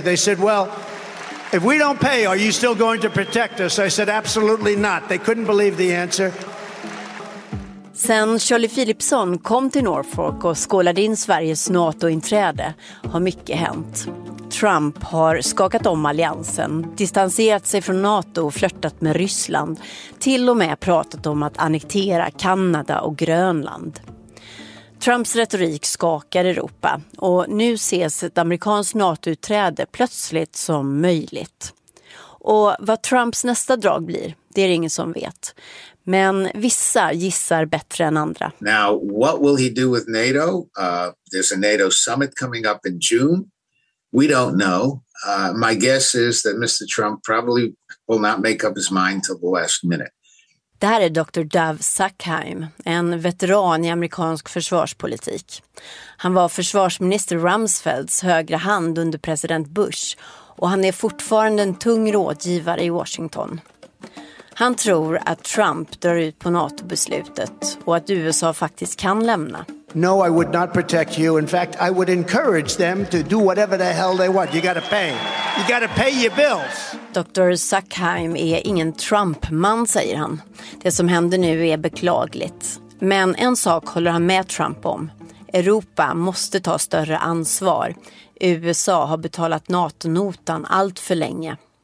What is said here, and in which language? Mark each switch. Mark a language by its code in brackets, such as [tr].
[en] They said, well, if we don't pay, are you still going to protect us? I said, absolutely not. They couldn't believe the answer. [sv] Sen Charlie Philipson kom till Norfolk och skålade in Sveriges NATO-inträde har mycket hänt. Trump har skakat om alliansen, distanserat sig från NATO och flörtat med Ryssland. Till och med pratat om att annektera Kanada och Grönland. Trumps retorik skakar Europa och nu ses ett amerikanskt NATO-utträde plötsligt som möjligt. Och vad Trumps nästa drag blir, det är ingen som vet. Men vissa gissar bättre än andra. [en] Now, what will he do with NATO? There's a NATO summit coming up in June. We don't know. My guess is that Mr. Trump probably will not make up his mind till the last minute. [sv] Det här är Dr. Dov Sackheim, en veteran i amerikansk försvarspolitik. Han var försvarsminister Rumsfelds högra hand under president Bush och han är fortfarande en tung rådgivare i Washington. Han tror att Trump drar ut på NATO-beslutet och att USA faktiskt kan lämna. [en] No, I would not protect you. In fact, I would encourage them to do whatever the hell they want. You gotta pay. You gotta pay your bills. [sv] Dr. Sackheim är ingen Trump-man, säger han. Det som händer nu är beklagligt. Men en sak håller han med Trump om. Europa måste ta större ansvar. USA har betalat NATO-notan allt för länge.